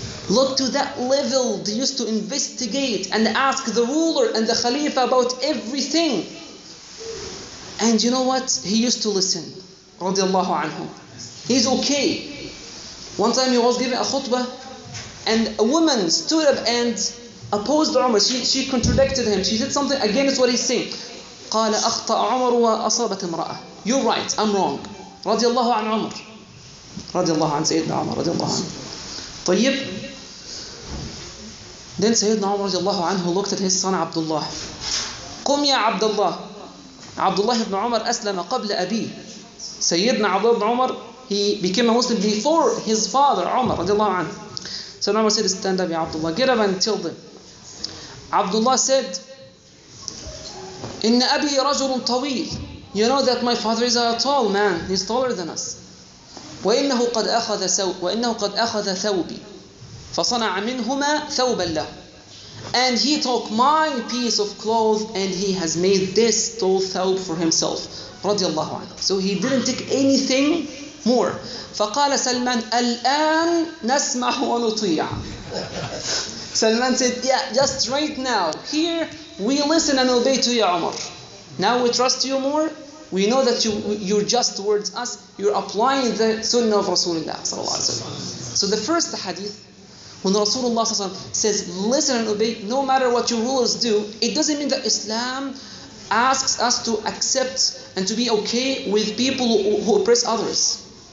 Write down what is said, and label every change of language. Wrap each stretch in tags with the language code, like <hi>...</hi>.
<en>Look to that level they used to investigate and ask the ruler and the Khalifa about everything. And you know what? He used to listen. Radiallahu anhu. He's okay. One time he was giving a khutbah and a woman stood up and opposed Umar. She contradicted him. She said something against what he's saying.</en> <ar>قال أخطأ عمر وأصابت امرأة.</ar> <en>You're right, I'm wrong. Radiallahu an Umar. Radiallahu an Sayyidina Umar. Radiallahu an.</en> <ar>طيب.</ar> <en>Then Sayyidina Umar radiallahu anhu looked at his son Abdullah.</en> <ar>قم يا عبد الله.</ar> <en>Abdullah ibn Umar</en> <ar>أسلم قبل أبي.</ar> <en>Sayyidina Abdullah ibn Umar, he became a Muslim before his father Umar radiallahu anhu. So Umar said, stand up, يا Abdullah. Get up and tell them. Abdullah said,</en> <ar>إن أبي رجل طويل.</ar> <en>You know that my father is a tall man. He's taller than us.</en> <ar>وإنه قد أخذ ثوب وإنه قد أخذ ثوبي. فصنع منهما ثوبا له.</ar> <en>And he took my piece of cloth and he has made this tall thawb for himself.</en> <ar>رضي الله عنه.</ar> <en>So he didn't take anything more.</en> <ar>فقال سلمان الآن نسمح ونطيع.</ar> <en>سلمان said, yeah, just right now. Here we listen and obey to you, Umar. Now we trust you more. We know that you're just towards us. You're applying the sunnah of Rasulullah sallallahu alaihi wasallam. So the first hadith, when Rasulullah sallallahu alaihi wasallam says, listen and obey, no matter what your rulers do, it doesn't mean that Islam asks us to accept and to be okay with people who oppress others.</en>